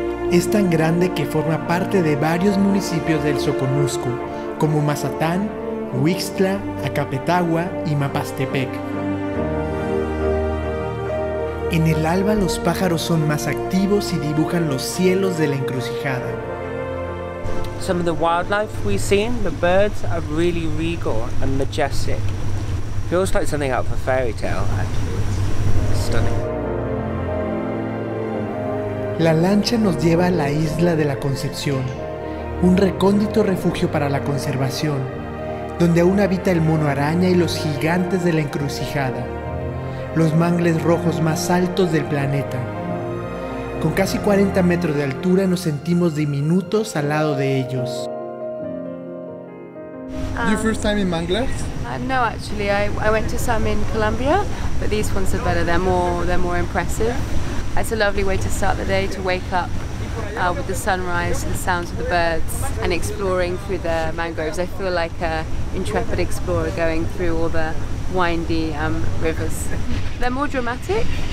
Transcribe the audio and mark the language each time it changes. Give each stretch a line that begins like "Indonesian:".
Spanish: Es tan grande que forma parte de varios municipios del Soconusco, como Mazatán, Huixtla, Acapetahua y Mapastepec. En el alba los pájaros son más activos y dibujan los cielos de la Encrucijada.
English: Some of the wildlife we've seen, the birds are really regal and majestic. Feels like something out of a fairy tale, actually. It's stunning.
Spanish: La lancha nos lleva a la isla de la Concepción, un recóndito refugio para la conservación, donde aún habita el mono araña y los gigantes de la Encrucijada, los mangles rojos más altos del planeta. Con casi 40 metros de altura, nos sentimos diminutos al lado de ellos.
English: Your first time in manglares? No, actually, I went to some in Colombia, but these ones are better. They're more impressive. It's a lovely way to start the day, to wake up with the sunrise, the sounds of the birds, and exploring through the mangroves. I feel like an intrepid explorer going through all the windy rivers. They're more dramatic.